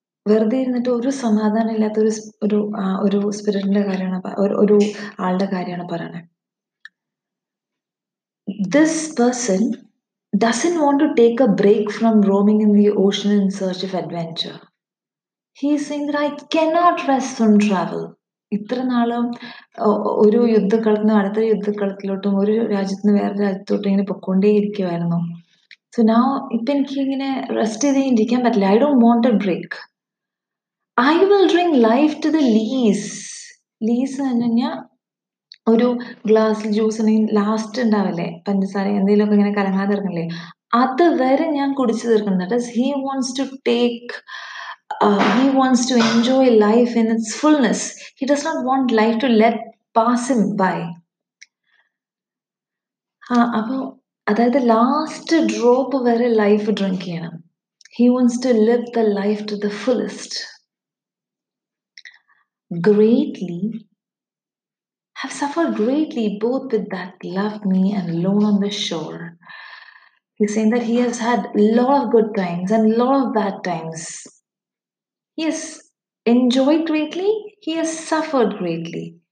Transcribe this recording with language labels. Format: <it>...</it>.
<ml>വെറുതെ ഇരുന്നിട്ട് ഒരു സമാധാനം ഇല്ലാത്ത ഒരു ഒരു ഒരു സ്പിരിറ്റിന്റെ കാര്യമാണ് ഒരു ആളുടെ കാര്യമാണ് പറയണത്.</ml> <en>This person doesn't want to take a break from roaming in the ocean in search of adventure. He is saying that I cannot rest from travel.</en> <ml>ഇത്രയും നാളും ഒരു യുദ്ധക്കളത്തിൽ നിന്ന് അടുത്ത യുദ്ധക്കളത്തിലോട്ടും ഒരു രാജ്യത്തിന് വേറെ രാജ്യത്തോട്ടും ഇങ്ങനെ പൊക്കൊണ്ടേ ഇരിക്കുമായിരുന്നു. സൊ നാ ഇപ്പൊ എനിക്ക് ഇങ്ങനെ റെസ്റ്റ് ചെയ്തേ ഇരിക്കാൻ പറ്റില്ല.</ml> <en>I don't want a break. I will drink life to the lees.</en> <ml>Lease എന്ന് പറഞ്ഞാൽ ഒരു ഗ്ലാസ്സിൽ ജ്യൂസ് ലാസ്റ്റ് ഉണ്ടാവില്ലേ, പഞ്ചസാര എന്തെങ്കിലും ഒക്കെ ഇങ്ങനെ കലങ്ങാതെ ഇറങ്ങില്ലേ, അത് വരെ ഞാൻ കുടിച്ചു തീർക്കുന്നുണ്ട്.</ml> <en>He wants to take he wants to enjoy life in its fullness. He does not want life to let pass him by.</en> <ml>അപ്പോ അതായത് ലാസ്റ്റ് ഡ്രോപ്പ് വരെ ലൈഫ് ഡ്രിങ്ക് ചെയ്യണം.</ml> <en>He wants to live the life to the fullest. Greatly have suffered greatly both with that loved me and alone on the shore. He's saying that he has had a lot of good times and a lot of bad times. He has enjoyed greatly, he has suffered greatly.</en>